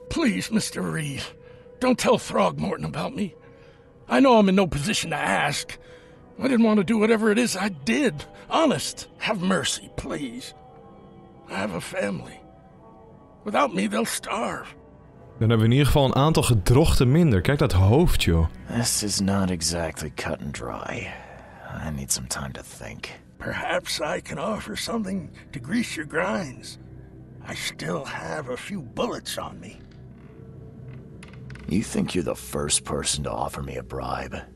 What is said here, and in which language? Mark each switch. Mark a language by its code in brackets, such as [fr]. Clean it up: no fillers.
[en] Please, Mr. Reeve, don't tell Throgmorton about me. I know I'm in no position to ask. I didn't want to do whatever it is I did. Honest, have mercy, please. I have a family. Without me, they'll starve. [nl] Dan hebben we in ieder geval een aantal gedrochten minder. Kijk dat hoofd, joh. [en] This is not exactly cut and dry. I need some time to think. Perhaps I can offer something to grease your grinds. I still have a few bullets on me. You think you're the first person to offer me a bribe?